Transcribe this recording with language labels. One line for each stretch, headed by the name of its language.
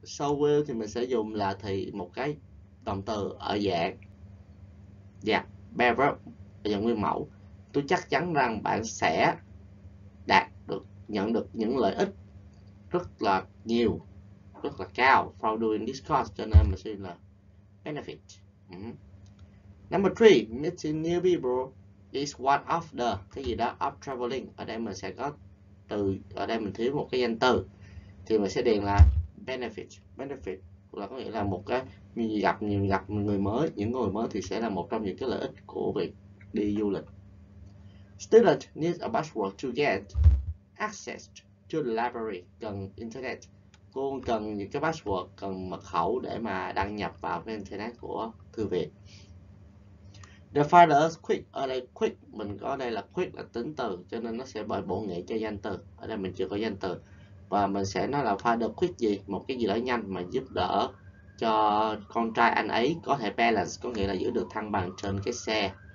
Vietnamese: So will thì mình sẽ dùng là thì một cái động từ ở dạng bare verb, dạng nguyên mẫu. Tôi chắc chắn rằng bạn sẽ đạt được, nhận được những lợi ích rất là nhiều, rất là cao
English: from doing this course,
Vietnamese: cho nên mình sẽ dùng là benefit.
English: Number 3, meeting new people is one of the
Vietnamese: cái gì đó
English: of traveling.
Vietnamese: Ở đây mình sẽ có từ, ở đây mình thiếu một cái danh từ thì mình sẽ điền là benefit. Benefit là có nghĩa là một cái gặp người mới, những người mới thì sẽ là một trong những cái lợi ích của việc đi du lịch.
English: Student needs a password to get access to the library.
Vietnamese: Cần internet, cô cần những cái password, cần mật khẩu để mà đăng nhập vào cái internet của thư viện. The father quick, ở đây quick mình có đây là quick là tính từ, cho nên nó sẽ bởi bổ nghĩa cho danh từ. Ở đây mình chưa có danh từ và mình sẽ nói là father quick gì, một cái gì đó nhanh mà giúp đỡ cho con trai anh ấy có thể balance, có nghĩa là giữ được thăng bằng trên cái xe.